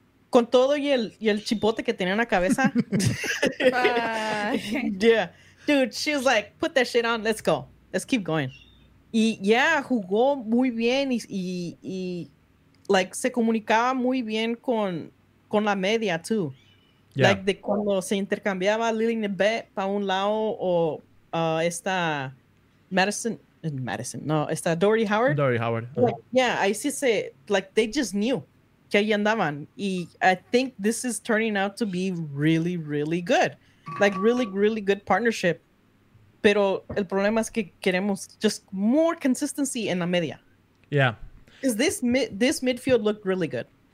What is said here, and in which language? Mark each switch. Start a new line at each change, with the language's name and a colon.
Spanish: Con todo y el chipote que tenía en la cabeza.
English: yeah. Dude, she was like, put that shit on, let's go. Let's keep going.
Spanish: Y
English: yeah,
Spanish: jugó muy bien y
English: like,
Spanish: se comunicaba muy bien con la media,
English: too. Yeah.
Spanish: Like, de cuando se intercambiaba Lily Nebet para un lado o esta esta Dory Howard. Dory Howard.
English: Like, yeah,
Spanish: ahí sí se,
English: like, they just knew
Spanish: que ahí andaban.
English: Y I think this is turning out to be really, really good. Like, really, really good partnership.
Spanish: Pero el problema es que queremos
English: just more consistency
Spanish: en la media.
English: Yeah. Is this midfield looked really good?